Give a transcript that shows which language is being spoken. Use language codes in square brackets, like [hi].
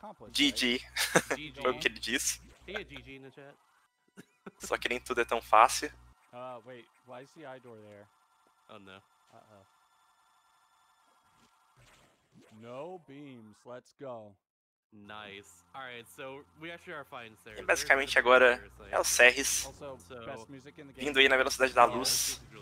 [pt] GG. Foi o que ele disse. Só que nem tudo é tão fácil. [en] Wait, why is the eye door there? Oh no. No beams, let's go. Nice. All right, so we actually are fine, Ceres. [pt] E basicamente agora é o Ceres vindo aí na velocidade da luz.